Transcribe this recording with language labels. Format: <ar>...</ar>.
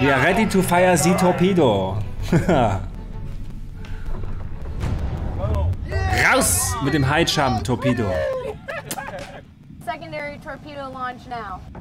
<en>We are ready to fire the torpedo.</en> <de>Raus mit dem Hai-Charm torpedo.</de> <en>Secondary torpedo launch now.</en>